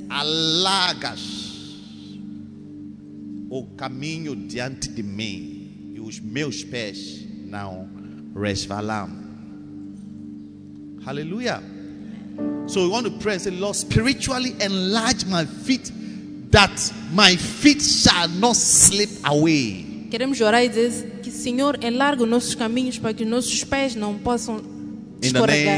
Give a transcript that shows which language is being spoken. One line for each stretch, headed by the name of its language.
Portuguese: Alargas o caminho diante de mim e os meus pés não resvalam. Aleluia.
English: So we want to pray and say, Lord, spiritually enlarge my feet that my feet shall not slip away.
Portuguese: Queremos orar e dizer que Senhor enlarga os nossos caminhos para que nossos pés não possam escorregar.